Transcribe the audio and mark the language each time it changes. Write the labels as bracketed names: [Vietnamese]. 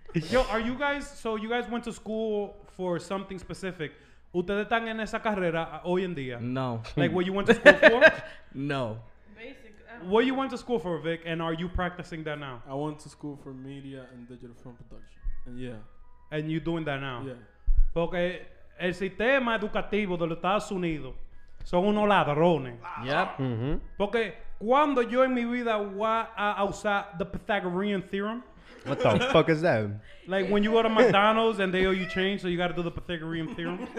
[English] Yo, are you guys, so you guys went to school for something specific. [Spanish] ¿Ustedes están en esa carrera hoy en día? [English] No. Like, what you went to school for? No. Basic. What you went to school for, Vic, and are you practicing that now? I went to school for media and digital film production. And yeah. And you doing that now? Yeah. Okay. [Spanish] El sistema educativo de los Estados Unidos son unos ladrones. [English] Yep. Mm-hmm. [Spanish] Porque cuando yo en mi vida voy a usar the Pythagorean theorem. [English] What the fuck is that? Like when you go to McDonald's and they owe you change, so you got to do the Pythagorean theorem.